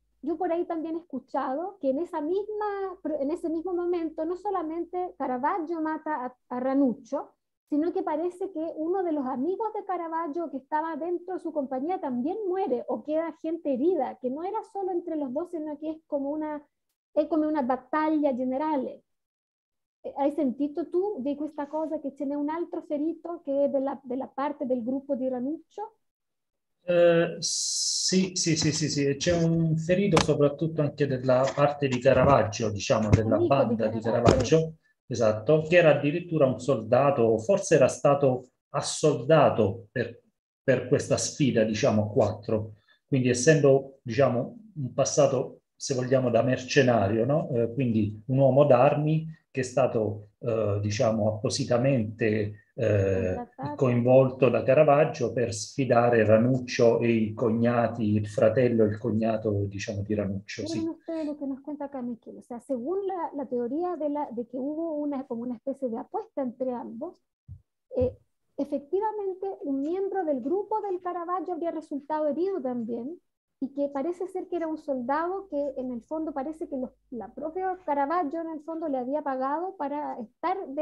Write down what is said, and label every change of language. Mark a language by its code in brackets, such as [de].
[es] Yo por ahí también he escuchado que en esa misma, en ese mismo momento, no solamente Caravaggio mata a Ranuccio, sino que parece que uno de los amigos de Caravaggio que estaba dentro de su compañía también muere o queda gente herida, que no era solo entre los dos, sino que es como una batalla general. ¿Hay sentido tú de esta cosa que tiene un otro ferito que es de la parte del grupo de Ranuccio? [it] Sì, c'è un ferito soprattutto anche della parte di Caravaggio, diciamo, della banda di Caravaggio, esatto, che era addirittura un soldato, forse era stato assoldato per questa sfida, diciamo, a quattro. Quindi essendo, diciamo, un passato, se vogliamo, da mercenario, no? Quindi un uomo d'armi che è stato, diciamo, appositamente coinvolto da Caravaggio per sfidare Ranuccio e i cognati, il fratello e il cognato, diciamo, di Ranuccio. Sì. [es] Lo che nos cuenta acá Michele, o sea, según la teoría de que hubo una como una especie de apuesta entre ambos, efectivamente un miembro del grupo del Caravaggio había resultado herido también, y que parece ser que era un soldado que en el fondo parece que la propia Caravaggio en el fondo le había pagado para estar